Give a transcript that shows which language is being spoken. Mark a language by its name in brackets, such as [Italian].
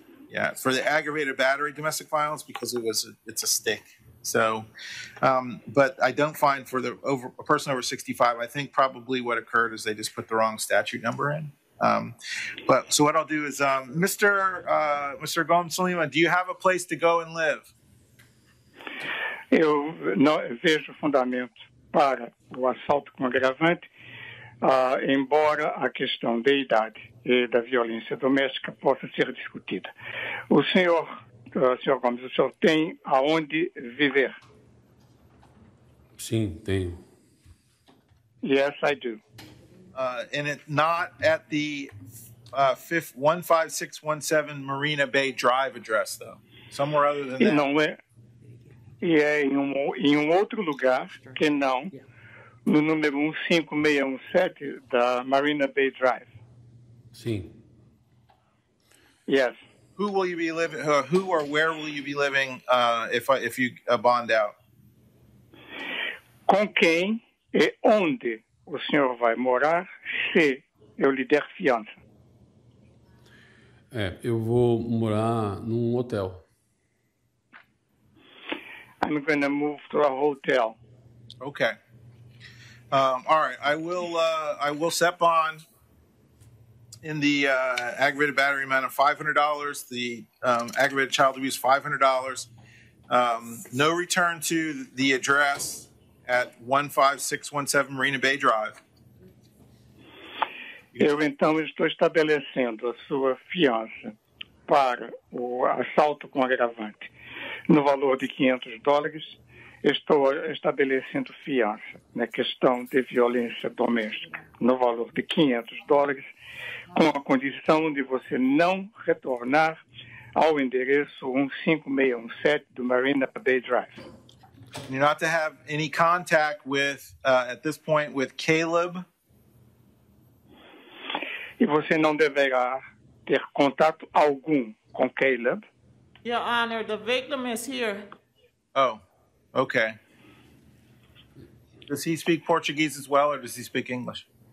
[English] Yeah, for the aggravated battery domestic violence because it's a stick. So, but I don't find for a person over 65, I think probably what occurred is they just put the wrong statute number in. So what I'll do is, Mr. Gomes Lima, do you have a place to go and live? [Portuguese] Eu não vejo fundamento para o assalto com agravante, embora a questão de idade e da violência doméstica possa ser discutida. O senhor Gomes, o senhor tem aonde viver? Sim, tenho. [English] Yes, I do. And it's not at the 15617 Marina Bay Drive address, though. Somewhere other than that. [Portuguese] E não é. E é em um outro lugar que não, no número 15617 da Marina Bay Drive. Sim. [English] Yes. Who will you be living? Who or where will you be living if you bond out? [Portuguese] Com quem e onde o senhor vai morar se eu lhe der fiança? Eu vou morar num hotel. [English] I'm going to move to a hotel. Okay. All right. I will set bond in the aggravated battery amount of $500, the aggravated child abuse $500, no return to the address at 15617 Marina Bay Drive. [Portuguese] Eu então estou estabelecendo a sua fiança para o assalto com agravante no valor de $500. Estou estabelecendo fiança na questão de violência doméstica no valor de $500, com a condição de você não retornar ao endereço 15617 do Marina Bay Drive. [English] You're not to have any contact with, at this point, with Caleb. [Portuguese] E você não deverá ter contato algum com Caleb. [English] Your Honor, the victim is here. Oh, okay. Does he speak Portuguese as well, or does he speak English?